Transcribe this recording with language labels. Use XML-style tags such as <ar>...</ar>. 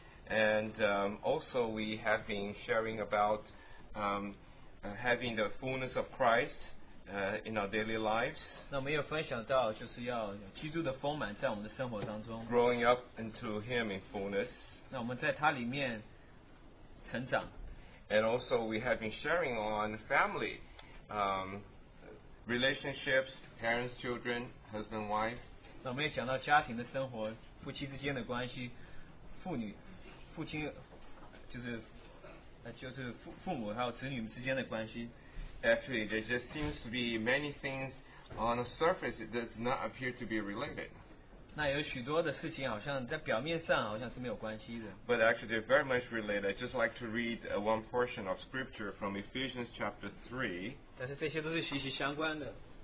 <en>And also we have been sharing about having the fullness of Christ in our daily lives.</en> <zh>那我们也分享到就是要基督的丰满在我们的生活当中。</zh> <en>Growing up into Him in fullness.</en> <zh>那我们在他里面成长。</zh> <en>And also we have been sharing on family, relationships, parents, children, husband, wife.</en> <zh>那我们也讲到家庭的生活，夫妻之间的关系，妇女。父亲就是父母还有子女之间的关系。</zh> <en>Actually, there just seems to be many things on the surface that does not appear to be related.</en> <zh>那有许多的事情好像在表面上好像是没有关系的。</zh> <en>But actually, they're very much related. I'd just like to read one portion of scripture from Ephesians chapter 3.</en> <zh>但是这些都是息息相关的。</zh>